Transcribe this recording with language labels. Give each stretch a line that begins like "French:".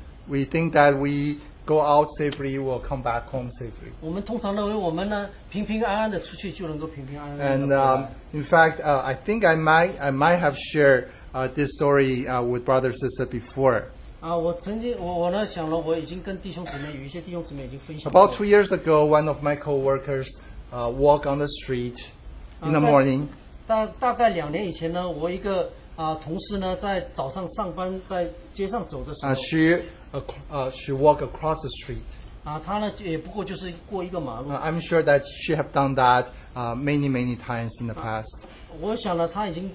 English: We think that we go out safely, we'll come back home safely.
Chinese: 我们通常认为我们呢，平平安安的出去就能够平平安安的回来。
English: And in fact, I think I might have shared this story with brother and sister before.
Chinese: 我曾经，我呢想了，我已经跟弟兄姊妹，有一些弟兄姊妹已经分享。
English: About 2 years ago, one of my co-workers walked on the street in the morning.
Chinese: 大概两年以前呢，我一个。同事呢，在早上上班，在街上走的时候，
English: she walked across the street.
Chinese: 她呢，也不过就是过一个马路。
English: I'm sure that she have done that many times in the past.